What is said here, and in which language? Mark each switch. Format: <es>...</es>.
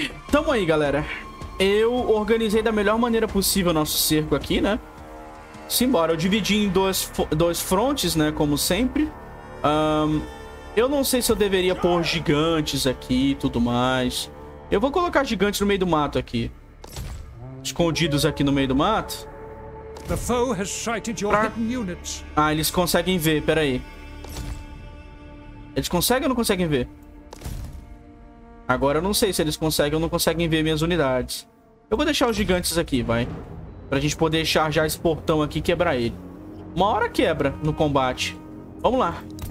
<pt>Tamo aí, galera. Eu organizei da melhor maneira possível o nosso cerco aqui, né? Simbora. Eu dividi em dois frontes, né? Como sempre. Eu não sei se eu deveria pôr gigantes aqui e tudo mais. Eu vou colocar gigantes no meio do mato aqui. Escondidos aqui no meio do mato.</pt> <en>The foe has sighted your hidden units.</en> <pt>Ah, eles conseguem ver, peraí. Eles conseguem ou não conseguem ver? Agora eu não sei se eles conseguem ou não conseguem ver minhas unidades. Eu vou deixar os gigantes aqui, vai. Pra gente poder charjar esse portão aqui e quebrar ele. Uma hora quebra no combate. Vamos lá.</pt>